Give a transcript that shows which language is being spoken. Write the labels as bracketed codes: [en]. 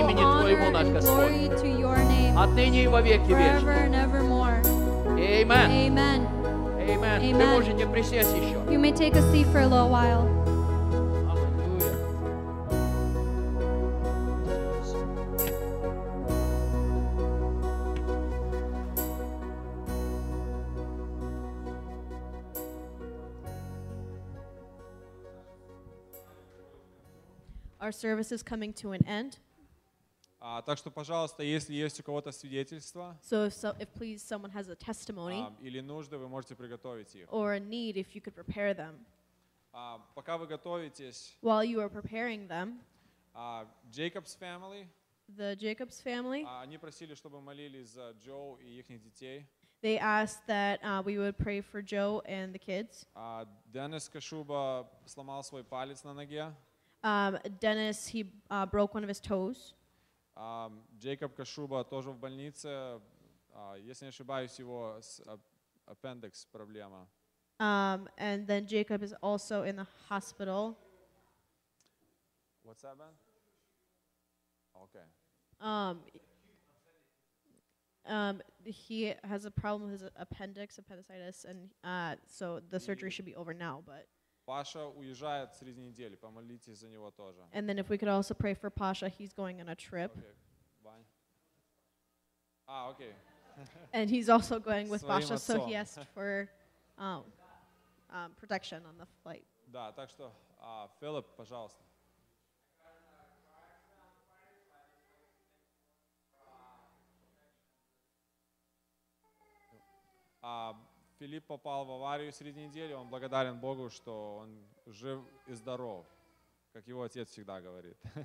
[ru] имени Твоему, наш Господь. Отныне и во веки вечные. Аминь. Аминь. Аминь. Ты можешь не присесть еще. [en] You may take a seat for a little while. [ru] Аллилуйя. [en] Our service is coming to an end. [ru] Так что, пожалуйста, если есть у кого-то свидетельство, [en] please someone has a testimony, [ru] или нужды, вы можете приготовить их. [en] Or a need, if you could prepare them. [ru] Пока вы готовитесь, [en] while you are preparing them, Jacob's family, the Jacob's family, [ru] они просили, чтобы молились за Джо и их детей. [en] They asked that we would pray for Joe and the kids. [ru] Денис Кашуба сломал свой палец на ноге. [en] Dennis, he broke one of his toes. [ru] Jacob Kashuba, тоже в больнице. Если не ошибаюсь, его appendix проблема. [en] And then Jacob is also in the hospital. What's that, Ben? Okay. He has a problem with his appendix, appendicitis, and so the surgery should be over now, but. [ru] Паша уезжает через неделю, помолитесь за него тоже. [en] And then if we could also pray for Pasha, he's going on a trip. Okay. Okay. And he's also going with Pasha, so he asked for protection on the flight. [ru] Да, так что, Филипп, пожалуйста. Филипп попал в аварию среди недели. Он благодарен Богу, что он жив и здоров, как его отец всегда говорит.